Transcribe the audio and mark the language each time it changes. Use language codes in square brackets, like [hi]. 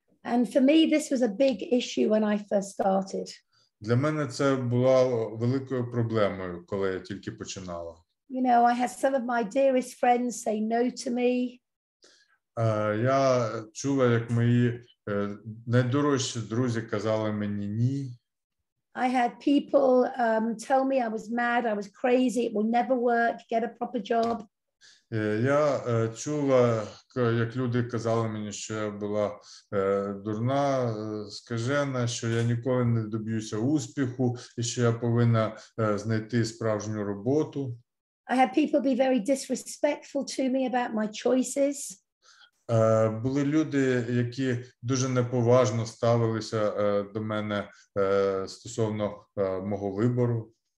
[en] And for me this was a big issue when I first started. [uk] Для мене це була великою проблемою, коли я тільки починала. [en] You know, I had some of my dearest friends say no to me. [uk] Я чула, як мої найдорожчі друзі казали мені ні. [en] I had people tell me I was mad, I was crazy, it will never work, get a proper job. [uk] Я чула, як люди казали мені, що я була дурна, скажена, що я ніколи не доб'юся успіху і що я повинна знайти справжню роботу. [en] I had people be very disrespectful to me about my choices. [uk] Були люди, які дуже неповажно ставилися до мене стосовно мого вибору.